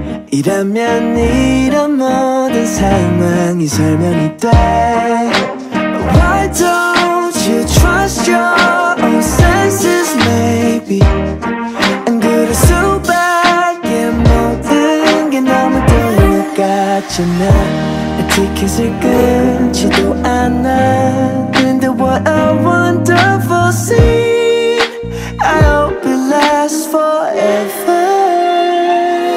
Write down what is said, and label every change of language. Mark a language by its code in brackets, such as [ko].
[ko] 이러면 이런 모든 상황이 설명이 돼. [en] Why don't you trust your own senses, maybe? [ko] And 그럴 수밖에 모든 게 너무 뜨는 것 같잖아. 내 티켓을 끊지도 않아. [en] What a wonderful scene. I hope it lasts forever.